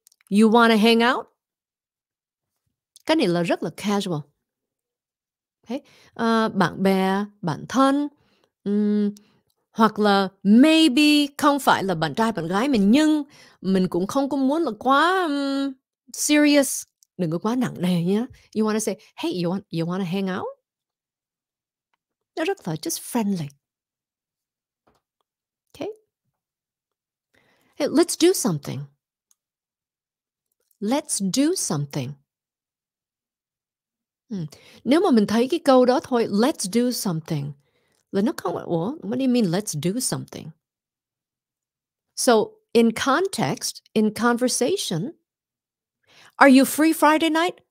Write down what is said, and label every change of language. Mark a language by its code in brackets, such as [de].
[en] You wanna hang out? [vi] Cái này là rất là casual. Okay. Bạn bè, bạn thân, hoặc là maybe không phải là bạn trai, bạn gái mình, nhưng mình cũng không có muốn là quá serious. Đừng có quá nặng nề nhé. [en] You want to say, hey, you want to hang out? [vi] Nó rất là [en] just friendly. Okay. Hey, let's do something. Let's do something. [vi] Nếu mà mình thấy cái câu đó thôi, [en] let's do something. [vi] Là nó không, [en] what do you mean let's do something? So, in context, in conversation, are you free Friday night?